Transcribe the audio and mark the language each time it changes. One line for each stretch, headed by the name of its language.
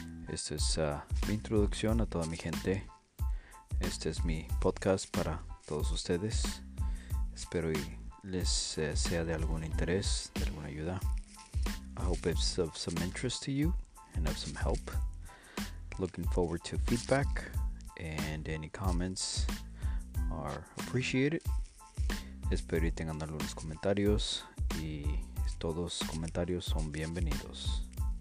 Spanish: Este es mi introducción a toda mi gente. Este es mi podcast para todos ustedes. Espero y les sea de algún interés, de alguna ayuda.
English: I hope it's of some interest to you and of some help. Looking forward to feedback, and any comments are appreciated.
Spanish: Espero y tengan algunos comentarios, y todos comentarios son bienvenidos.